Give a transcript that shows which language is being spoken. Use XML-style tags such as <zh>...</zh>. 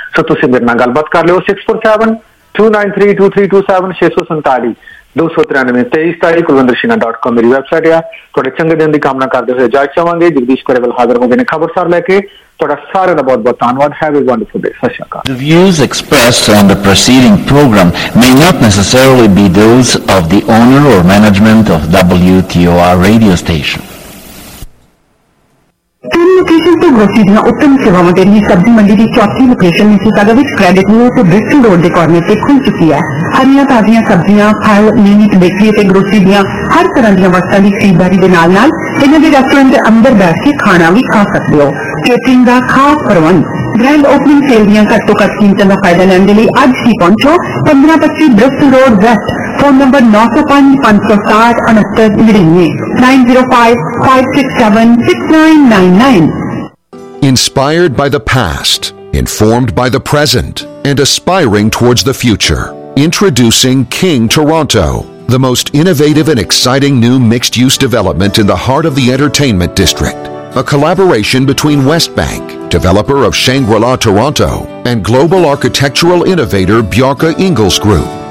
<pa>ਸੋ ਤੁਸੀਂ ਮੇਰੇ ਨਾਲ ਗੱਲਬਾਤ ਕਰ ਲਿਓ, 647-293-2327, 647-293-2323, ਕੁਲਵਿੰਦਰ ਸ਼ੀਨਾ .com ਮੇਰੀ ਵੈਬਸਾਈਟ ਆ। ਤੁਹਾਡੇ ਚੰਗੇ ਦਿਨ ਦੀ ਕਾਮਨਾ ਕਰਦੇ ਹੋਏ ਜਾਇਜ਼ ਚਾਹਾਂਗੇ, ਜਗਦੀਸ਼ ਕਰੇਵਲ ਹਾਜ਼ਰ ਹੋ ਗਏ ਨੇ ਖਬਰਸਾਰ ਲੈ ਕੇ। ਤੁਹਾਡਾ ਸਾਰਿਆਂ ਦਾ ਬਹੁਤ ਬਹੁਤ ਧੰਨਵਾਦ,</pa> <en>have a wonderful day,</en> <pa>ਸਤਿ ਸ਼੍ਰੀ ਅਕਾਲ।</pa> <en>The views expressed on the preceding program may not necessarily be those of the owner or management of WTOR radio station.</en> <pa>ਤਿੰਨ ਲੋਕੇਸ਼ਨ ਤੋਂ ਗ੍ਰੋਸਰੀ ਦੀਆਂ ਉੱਤਮ ਸੇਵਾਵਾਂ ਦੇ ਰਹੀ ਸਬਜ਼ੀ ਮੰਡੀ ਦੀ ਚੌਥੀ ਲੋਕੇਸ਼ਨ ਮਿਸਿਸਾਗਾ ਵਿੱਚ ਕ੍ਰੈਡਿਟ ਮੋਲ ਤੋਂ ਬ੍ਰਿਸਟਲ ਰੋਡ ਦੇ ਕਾਰਨਰ ਤੇ ਖੁੱਲ ਚੁੱਕੀ ਹੈ। ਹਰੀਆਂ ਤਾਜ਼ੀਆਂ ਸਬਜ਼ੀਆਂ, ਫਲ, ਨਿਯਮਿਤ ਬੇਕਰੀ ਅਤੇ ਗ੍ਰੋਸਰੀ ਦੀਆਂ ਹਰ ਤਰ੍ਹਾਂ ਦੀਆਂ ਵਸਤਾਂ ਦੀ ਖਰੀਦਦਾਰੀ ਦੇ ਨਾਲ ਨਾਲ ਇਹਨਾਂ ਦੇ ਰੈਸਟੋਰੈਂਟ ਦੇ ਅੰਦਰ ਬੈਠ ਕੇ ਖਾਣਾ ਵੀ ਖਾ ਸਕਦੇ ਹੋ। ਕੇਟਰਿੰਗ ਦਾ ਖਾਸ ਪ੍ਰਬੰਧ, ਗ੍ਰੈਂਡ ਓਪਨਿੰਗ ਸੇਲ ਦੀਆਂ ਘੱਟੋ ਘੱਟ ਕੀਮਤਾਂ ਦਾ ਫਾਇਦਾ ਲੈਣ ਦੇ ਲਈ ਅੱਜ ਹੀ ਪਹੁੰਚੋ 1525 bristle road West, phone number 905-560-6999।</pa> <en>Inspired by the past, informed by the present, and aspiring towards the future. Introducing King Toronto, the most innovative and exciting new mixed-use development in the heart of the Entertainment District. A collaboration between Westbank, developer of Shangri-La Toronto, and global architectural innovator Bjarke Ingels Group.</en>